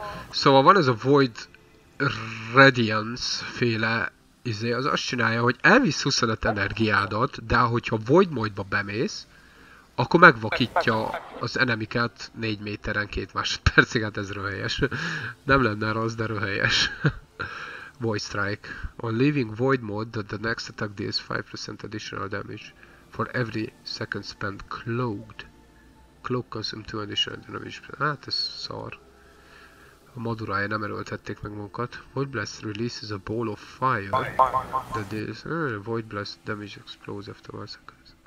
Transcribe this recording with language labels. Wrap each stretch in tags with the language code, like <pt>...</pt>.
<hu>Szóval van ez a Void Radiance féle izé, az azt csinálja, hogy elvisz 25 energiádat, de ahogyha Void Moidba bemész, akkor megvakítja az enemiket 4 méteren 2 másodpercig, hát ez röhelyes. Nem lenne rossz, de röhelyes. Void Strike.</hu> <en>On leaving Void Mode, the next attack deals 5% additional damage for every second spent cloaked. Cloak consume 2 additional damage.</en> <hu>Hát ez szar. A modulája nem erőltették meg magukat.</hu> <en>Void Blast releases a ball of fire that deals Void Blast damage explodes after 1 second.</en>